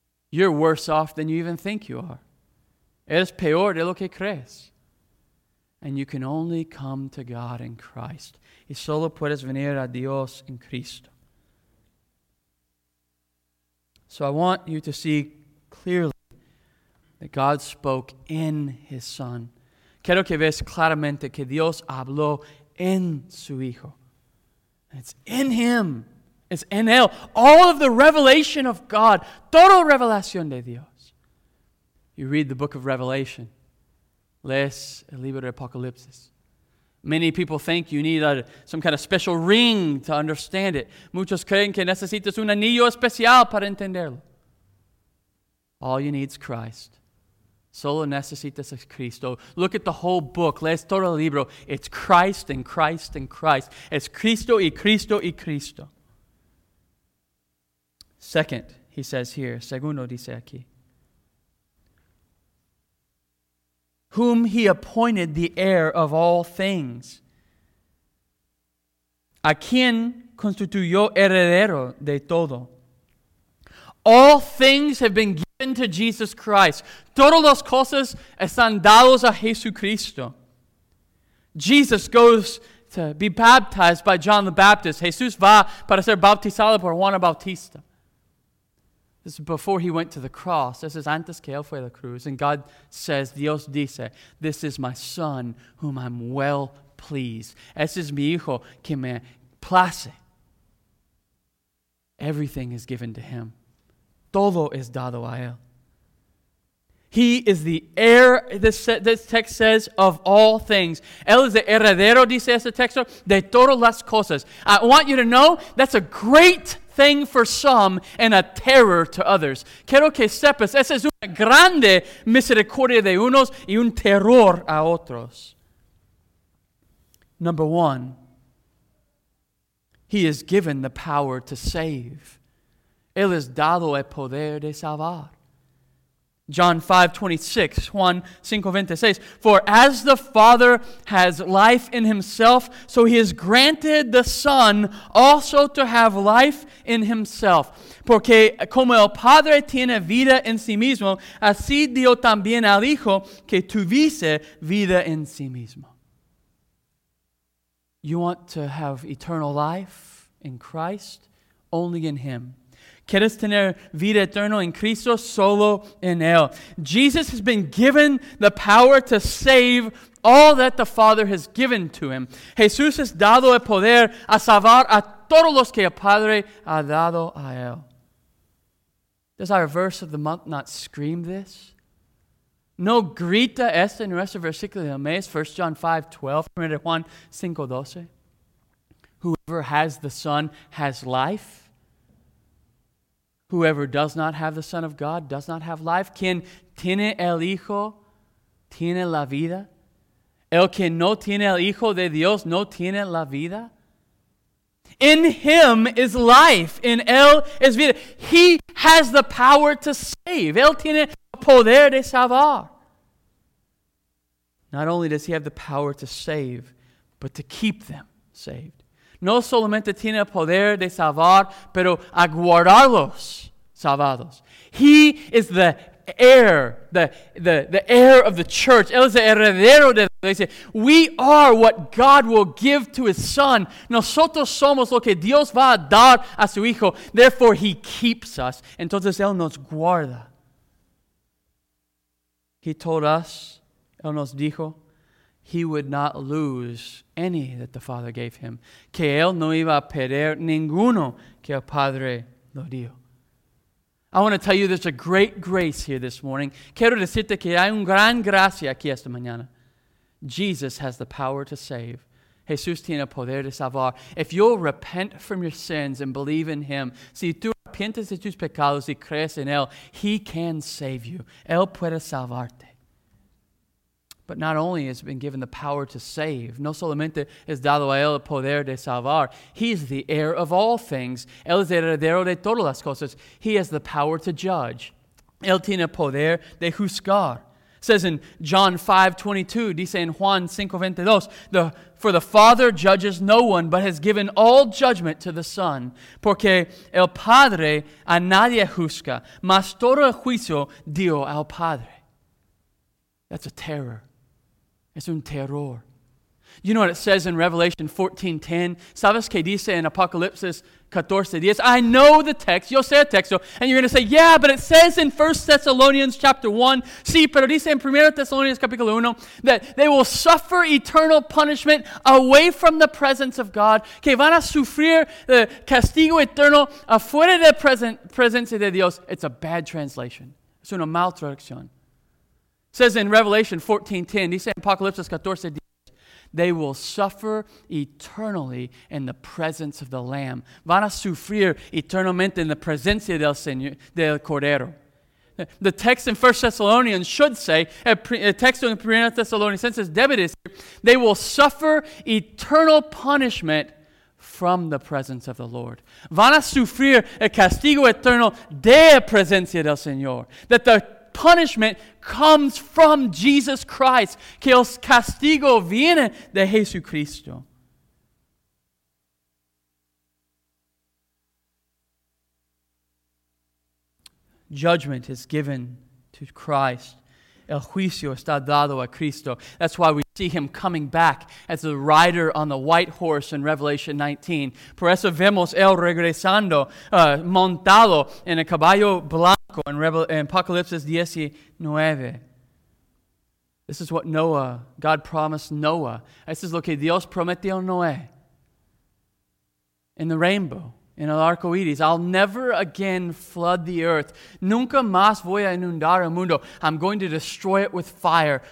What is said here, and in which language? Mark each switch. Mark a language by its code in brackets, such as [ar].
[en] You're worse off than you even think you are. [es] Eres peor de lo que crees. [en] And you can only come to God in Christ. [es] Y solo puedes venir a Dios en Cristo. [en] So I want you to see clearly that God spoke in His Son. [es] Quiero que veas claramente que Dios habló en su Hijo. [en] It's in Him. It's in Él. All of the revelation of God. [es] Toda revelación de Dios. [en] You read the book of Revelation. [es] Lees el libro de Apocalipsis. [en] Many people think you need some kind of special ring to understand it. [es] Muchos creen que necesitas un anillo especial para entenderlo. [en] All you need is Christ. [es] Solo necesitas a Cristo. [en] Look at the whole book. [es] Lees todo el libro. [en] It's Christ and Christ and Christ. [es] It's Cristo y Cristo y Cristo. [en] Second, he says here. [es] Segundo dice aquí. [en] Whom he appointed the heir of all things. [es] A quien constituyó heredero de todo. [en] All things have been given to Jesus Christ. [es] Todas las cosas están dadas a Jesucristo. [en] Jesus goes to be baptized by John the Baptist. [es] Jesús va para ser bautizado por Juan Bautista. [en] This is before he went to the cross. This is [es] antes que él fue a la cruz. [en] And God says, [es] Dios dice, [en] this is my Son whom I'm well pleased. [es] Ese es mi Hijo que me place. [en] Everything is given to him. [es] Todo es dado a él. [en] He is the heir, this text says, of all things. [es] Él es el heredero, dice ese texto, de todas las cosas. [en] I want you to know that's a great thing for some and a terror to others. [es] Quiero que sepas, esa es una grande misericordia de unos y un terror a otros. [en] Number one, he is given the power to save. [es] Él es dado el poder de salvar. [en] John 5:26, for as the Father has life in himself, so he has granted the Son also to have life in himself. [es] Porque como el Padre tiene vida en sí mismo, así dio también al Hijo que tuviese vida en sí mismo. [en] You want to have eternal life in Christ? Only in him. [es] ¿Quieres tener vida eterna en Cristo? Solo en Él. [en] Jesus has been given the power to save all that the Father has given to Him. [es] Jesús es dado el poder a salvar a todos los que el Padre ha dado a Él. [en] Does our verse of the month not scream this? [es] No grita esto en nuestro versículo del mes, 1 John 5:12, 1 Juan 5:12. [en] Whoever has the Son has life. Whoever does not have the Son of God does not have life. [es] Quien tiene el Hijo, tiene la vida. El que no tiene el Hijo de Dios, no tiene la vida. [en] In Him is life. In [es] Él es vida. [en] He has the power to save. [es] Él tiene el poder de salvar. [en] Not only does He have the power to save, but to keep them saved. [es] No solamente tiene el poder de salvar, pero a guardarlos salvados. [en] He is the heir, the heir of the church. [es] Él es el heredero de la iglesia. [en] We are what God will give to His Son. [es] Nosotros somos lo que Dios va a dar a su Hijo. [en] Therefore, He keeps us. [es] Entonces, Él nos guarda. [en] He told us, [es] Él nos dijo, [en] He would not lose any that the Father gave Him. [es] Que Él no iba a perder ninguno que el Padre lo dio. [en] I want to tell you there's a great grace here this morning. [es] Quiero decirte que hay una gran gracia aquí esta mañana. [en] Jesus has the power to save. [es] Jesús tiene poder de salvar. [en] If you'll repent from your sins and believe in Him, [es] si tú arrepientes de tus pecados y crees en Él, [en] He can save you. [es] Él puede salvarte. [en] But not only has been given the power to save, [es] no solamente es dado a él el poder de salvar, [en] he's the heir of all things. [es] Él es el heredero de todas las cosas. [en] He has the power to judge. [es] Él tiene poder de juzgar. [en] Says in John 5:22, [es] dice en Juan 5:22, [en] for the Father judges no one, but has given all judgment to the Son. [es] Porque el Padre a nadie juzga, mas todo el juicio dio al Padre. [en] That's a terror. [es] Es un terror. [en] You know what it says in Revelation 14:10? [es] ¿Sabes qué dice en Apocalipsis 14:10? [en] I know the text. [es] Yo sé el texto. [en] And you're going to say, yeah, but it says in 1 Thessalonians chapter 1. [es] Sí, pero dice en 1 Thessalonians capítulo 1 [en] that they will suffer eternal punishment away from the presence of God. [es] Que van a sufrir el castigo eterno afuera de la presencia de Dios. [en] It's a bad translation. [es] Es una mal traducción. [en] It says in Revelation 14:10, [es] dice en Apocalipsis 14:10, [en] they will suffer eternally in the presence of the Lamb. [es] Van a sufrir eternamente en la presencia del Señor, del Cordero. [en] The text in 1 Thessalonians should say, [es] el texto en 1 Thessalonians debe decir, [en] they will suffer eternal punishment from the presence of the Lord. [es] Van a sufrir el castigo eterno de la presencia del Señor. [en] That the punishment comes from Jesus Christ. [es] Que el castigo viene de Jesucristo. [en] Judgment is given to Christ. [es] El juicio está dado a Cristo. [en] That's why we see him coming back as the rider on the white horse in Revelation 19. [es] Por eso vemos él regresando, montado en el caballo blanco. [en] In Apocalipsis 19, this is what God promised Noah. This is [es] lo que Dios prometió a Noé. [en] In the rainbow, in [es] el arco iris, [en] I'll never again flood the earth. [es] Nunca más voy a inundar el mundo. [en] I'm going to destroy it with fire.